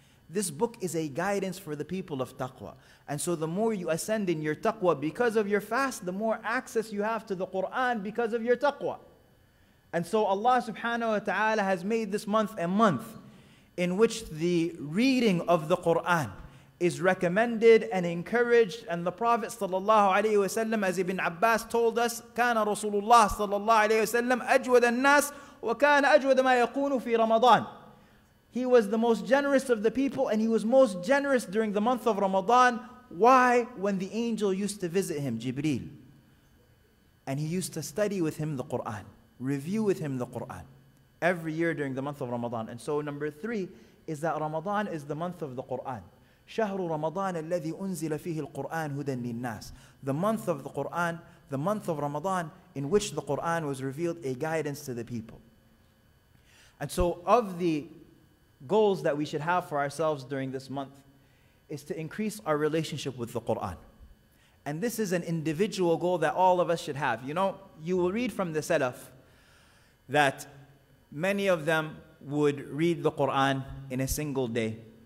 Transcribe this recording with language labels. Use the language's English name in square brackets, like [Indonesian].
[English] This book is a guidance for the people of taqwa. And so the more you ascend in your taqwa because of your fast, the more access you have to the Qur'an because of your taqwa. And so Allah subhanahu wa ta'ala has made this month a month in which the reading of the Qur'an is recommended and encouraged. And the Prophet sallallahu alayhi wa sallam, as Ibn Abbas told us, [Arabic] كان رسول الله صلى الله عليه وسلم أجود الناس وكان أجود ما يكون في رمضان. [English] He was the most generous of the people and he was most generous during the month of Ramadan. Why? When the angel used to visit him, Jibreel. And he used to study with him the Qur'an, review with him the Qur'an every year during the month of Ramadan. And so number three is that Ramadan is the month of the Qur'an. [Arabic] شهر رمضان الذي أنزل فيه القرآن هدى للناس. [English] The month of the Qur'an, the month of Ramadan in which the Qur'an was revealed a guidance to the people. And so of the goals that we should have for ourselves during this month is to increase our relationship with the Qur'an. And this is an individual goal that all of us should have. You know, you will read from the Salaf that many of them would read the Quran in a single day.